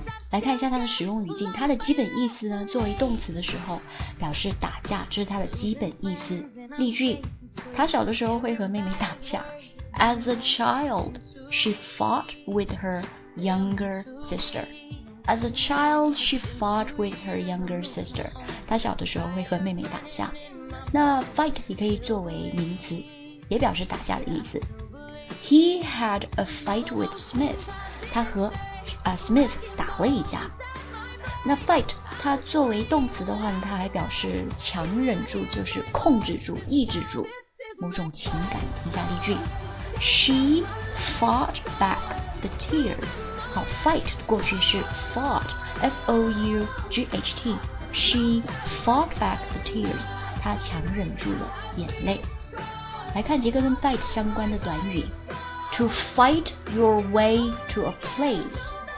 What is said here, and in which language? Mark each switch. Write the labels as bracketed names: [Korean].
[Chinese] 来看一下它的使用语境，它的基本意思呢，作为动词的时候表示打架，这是它的基本意思。例句，他小的时候会和妹妹打架。 [English] As a child, she fought with her younger sister. As a child, she fought with her younger sister. [Chinese] 他小的时候会和妹妹打架。那 fight 也可以作为名词，也表示打架的意思。 [English] He had a fight with Smith. [Chinese] 他和Smith 打了一架。那 fight 它作为动词的话呢，它还表示强忍住，就是控制住、抑制住某种情感。以下例句 [English] ：She fought back the tears. [Chinese] 好 ，fight 过去式 fought, F-O-U-G-H-T. [English] She fought back the tears. [Chinese] 她强忍住了眼泪。来看几个跟 fight 相关的短语 [English] ：to fight your way to a place.